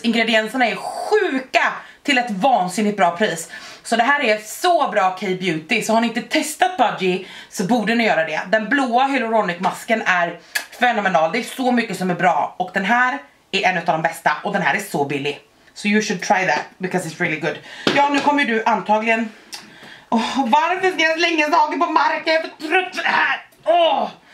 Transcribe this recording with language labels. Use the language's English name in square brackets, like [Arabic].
[Swedish] Ingredienserna är sjuka till ett vansinnigt bra pris. Så det här är så bra K-beauty, så har ni inte testat Budgie så borde ni göra det. Den blåa hyaluronic-masken är fenomenal, det är så mycket som är bra. Och den här är en av de bästa, och den här är så billig. [English] So you should try that, because it's really good. [Swedish] Ja, nu kommer du antagligen... Åh, oh, varför ska jag slänga saker på marken? Jag är för trött för det här! Åh! Oh.